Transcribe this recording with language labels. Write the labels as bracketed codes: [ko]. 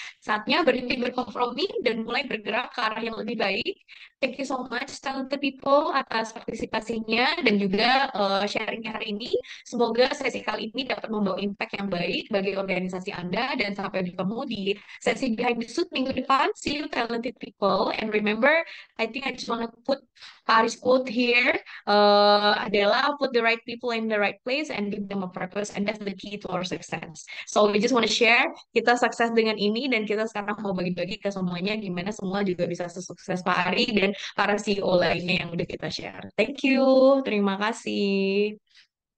[id] Saatnya berhenti berkompromi dan mulai bergerak ke arah yang lebih baik. [en] Thank you so much, talented people, [id] atas partisipasinya dan juga sharing hari ini. Semoga sesi kali ini dapat membawa impact yang baik bagi organisasi Anda, dan sampai bertemu di [en] sesi behind the suit [id] minggu depan. [en] See you, talented people. And remember, I think I just want to put Paris quote here. Adalah, put the right people in the right place and give them a purpose. And that's the key to our success. So we just want to share, [id] kita sukses dengan ini dan kita sekarang mau bagi-bagi ke semuanya gimana semua juga bisa sukses Pak Ari dan para CEO lainnya yang udah kita share. [en] Thank you. [id] Terima kasih.